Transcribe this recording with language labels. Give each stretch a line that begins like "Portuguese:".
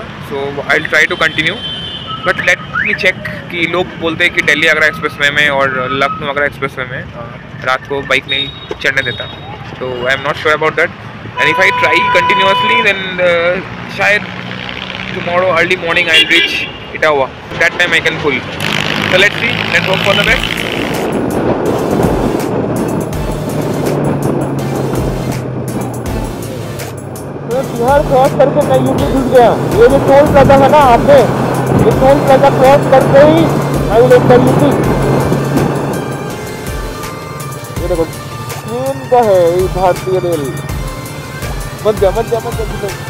English: so I will try to continue, but let me check
Hindi: कि लोग बोलते हैं कि दिल्ली आगरा एक्सप्रेस वे में और लखनऊ आगरा एक्सप्रेस वे में रात को बाइक नहीं चढ़ने देता.
English: तो I am not sure about that, and if I try continuously then शायद tomorrow early morning I will reach Etawah. That time I can pull. So let's see, let's hope for the best.
Hindi: Bihar cross करके मैं UP घुस गया. ये जो toll plaza है ना आपने, ये टोल प्लाजा क्रॉस करते ही
English: I will enter UP.
Hindi: ये देखो ट्रेन का है ये भारतीय रेल. मत जा मत जा मत जा.